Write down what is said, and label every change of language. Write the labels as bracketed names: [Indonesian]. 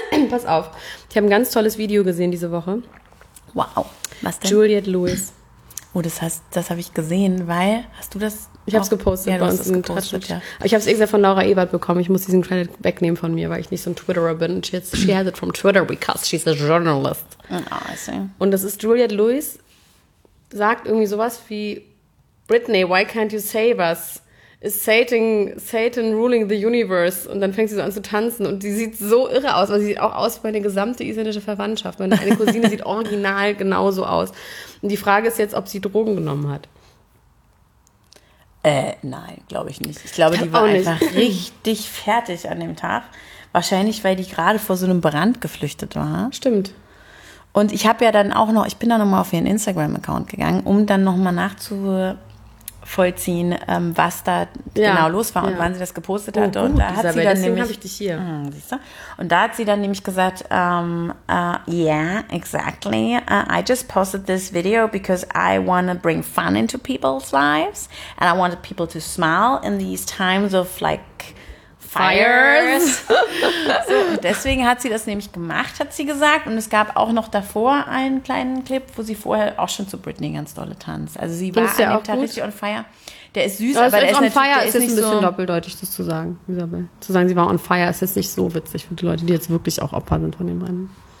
[German] Pass auf. Ich habe ein ganz tolles Video gesehen diese Woche. Wow. Was denn? Juliette Lewis. Oh, das habe ich gesehen, weil... Hast du das... Ich habe es gepostet bei uns im Tratschnitt. Ja. Ich habe es extra von Laura Ebert bekommen. Ich muss diesen Credit wegnehmen von mir, weil ich nicht so ein Twitterer bin. [English] She has it from Twitter because she's a journalist. Oh, I see. [German] Und das ist Juliette Lewis, sagt irgendwie sowas wie, Britney, [English] why can't you save us? Is Satan ruling the universe? [German] Und dann fängt sie so an zu tanzen und die sieht so irre aus. Also sie sieht auch aus wie meine gesamte isländische Verwandtschaft. Meine eine Cousine sieht original genauso aus. Und die Frage ist jetzt, ob sie Drogen genommen hat. Nein, glaube ich nicht. Ich glaube, die war einfach richtig fertig an dem Tag. Wahrscheinlich, weil die gerade vor so einem Brand geflüchtet war. Stimmt. Und ich habe ja dann auch noch, ich bin da nochmal auf ihren Instagram-Account gegangen, um dann nochmal nachzuvollziehen, was da genau los war und wann sie das gepostet hatte. Oh, gut, und da hat Isabel, sie dann nämlich, hab ich dich hier. Siehst du? Und da hat sie dann nämlich gesagt, [English] yeah, exactly. I just posted this video because I want to bring fun into people's lives and I wanted people to smile in these times of like fires. [German] So, deswegen hat sie das nämlich gemacht, hat sie gesagt. Und es gab auch noch davor einen kleinen Clip, wo sie vorher auch schon zu Britney ganz dolle tanzt. Also sie war an dem Tag richtig [English] on fire. [German] Der ist süß, aber der ist nicht so... Der ist ein bisschen doppeldeutig, das zu sagen, Isabel. Zu sagen, sie war [English] on fire, [German] ist jetzt nicht so witzig für die Leute, die jetzt wirklich auch Opfer sind von dem Rennen.